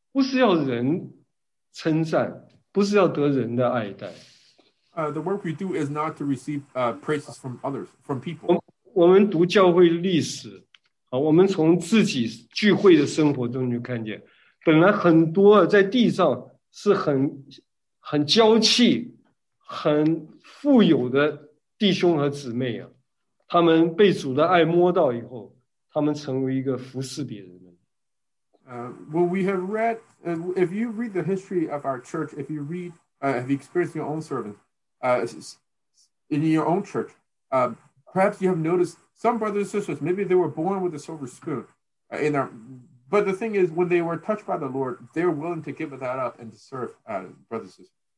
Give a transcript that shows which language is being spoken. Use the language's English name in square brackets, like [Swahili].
[Chinese] 不是要人称赞，不是要得人的爱戴。 [English] The work we do is not to receive praises from others, from people. [Chinese] 我们读教会历史。我们从自己聚会的生活中就看见，本来很多在地上是很娇气、很富有的弟兄和姊妹啊，他们被主的爱摸到以后，他们成为一个服侍别人的。 [English] Well, we have read, if you read the history of our church, if you read, have you experienced your own service, in your own church, perhaps you have noticed. Some brothers and sisters, maybe they were born with a silver spoon in their, but the thing is, when they were touched by the Lord, they're willing to give that up and to serve brothers and sisters.